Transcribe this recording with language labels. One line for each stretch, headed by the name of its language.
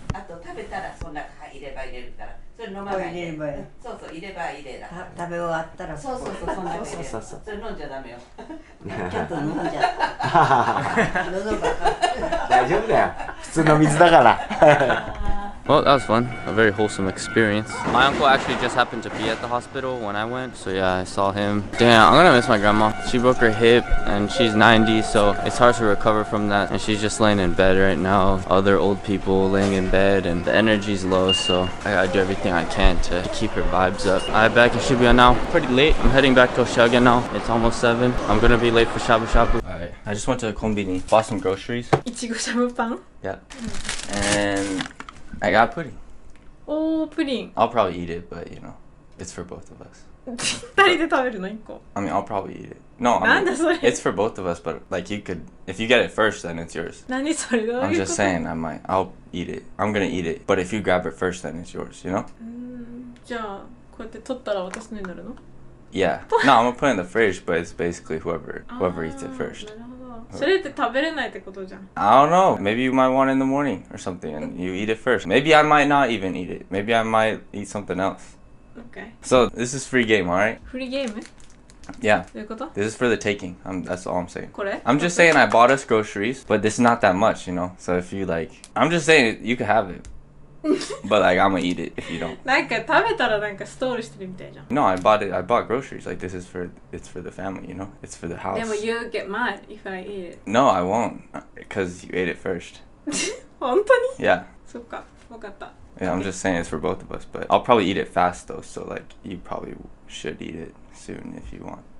Japanese: あと食べたらその中入れ歯入れるからそれ飲まないで、入れればいい、そうそう、入れば入れだ、食べ終わったらそうそうそう、そんなに入れる、それ飲んじゃダメよちょっと飲んじゃう喉が大丈夫だよ、普通の水だから
English: Well, that was fun. A very wholesome experience. My uncle actually just happened to be at the hospital when I went, so yeah, I saw him. Damn, I'm gonna miss my grandma. She broke her hip, and she's 90, so it's hard to recover from that. And she's just laying in bed right now. Other old people laying in bed, and the energy's low, so I gotta do everything I can to keep her vibes up. All right, back in Shibuya now. Pretty late. I'm heading back to Oshaga now. It's almost 7. I'm gonna be late for Shabu Shabu. All right, I just went to the konbini. Bought some groceries. Ichigo Shabu Pan? Yeah. And... I got pudding. Oh, pudding. I'll probably eat it, but you know, it's for both of us.
Japanese: 2人で食べるの1個?
English: I mean, I'll probably eat it. No, I mean, it's for both of us, but like you could, if you get it first, then it's yours.
Japanese: 何それ?
English: I'm just saying, I might, I'll eat it. I'm gonna eat it. But if you grab it first, then it's yours, you know?
Japanese: じゃあ、こうやって取ったら私のになるの?
English: Yeah. No, I'm gonna put it in the fridge, but it's basically whoever eats it first.
Japanese: それって食べれないってことじゃん。
English: I don't know. Maybe you might want it in the morning or something and you eat it first. Maybe I might not even eat it. Maybe I might eat something else. Okay. So this is free game, alright? Free game? Yeah.
Japanese: どういうこと?
English: This is for the taking. That's all I'm saying.
Japanese: これ?
English: I'm just saying I bought us groceries, but this is not that much, you know? So if you like... I'm just saying you can have it. But like, I'm gonna eat it if you don't.
Japanese: なんか食べたらなんかストールしてるみたいじゃん。
English: No, I bought it. I bought groceries. Like, this is for, it's for the family, you know? It's for the house.
Japanese: でも
English: you get mad if I eat it. No, I won't. Because you ate it first.
Japanese: 本当に?
English: Yeah.
Japanese: そっか、わかった。
English: Yeah, I'm just saying it's for both of us. But I'll probably eat it fast though. So like, you probably should eat it soon if you want.